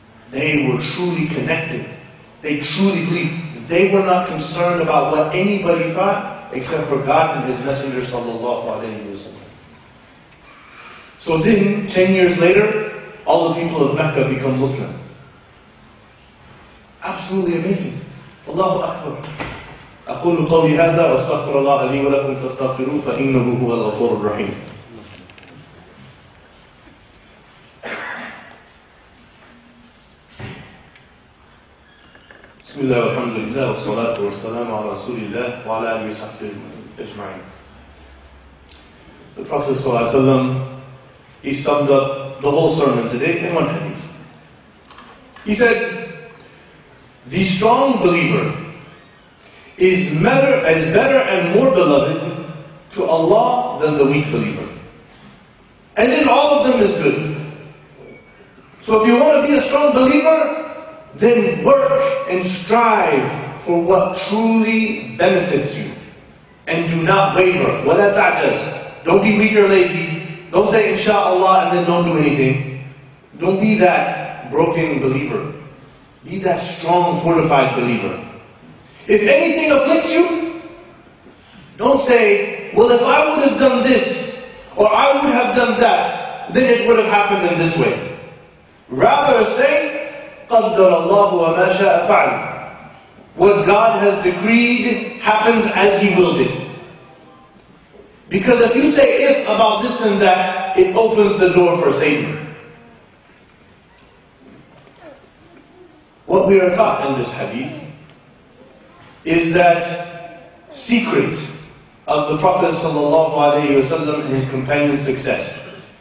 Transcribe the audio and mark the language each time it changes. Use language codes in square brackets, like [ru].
[en] They were truly connected. They truly believed. They were not concerned about what anybody thought except for God and His Messenger sallallahu alayhi wa sallam. So then, 10 years later, all the people of Mecca become Muslim. Absolutely amazing. Allahu Akbar. [ar] أقول قولي هذا واستغفر الله لي ولكم فاستغفروه فإنه هو الغفور الرحيم. بسم الله والحمد لله والصلاة والسلام على رسول الله وعلى آله وصحبه أجمعين. [en] The Prophet صلى الله عليه وسلم, he summed up the whole sermon today in one hadith. He said, "The strong believer is better and more beloved to Allah than the weak believer. And in all of them is good." So if you want to be a strong believer, then work and strive for what truly benefits you. And do not waver. [ar] وَلَا تَعْجَزْ. [en] Don't be weak or lazy. Don't say inshallah and then don't do anything. Don't be that broken believer. Be that strong, fortified believer. If anything afflicts you, don't say, "Well, if I would have done this, or I would have done that, then it would have happened in this way." [ar] Rather say, قَدَّرَ اللَّهُ وَمَا شَاءَ فَعَلْ. [en] What God has decreed happens as He willed it. Because if you say "if" about this and that, it opens the door for Satan. What we are taught in this hadith is that secret of the Prophet sallallahu alaihi wasallam and his companion's success.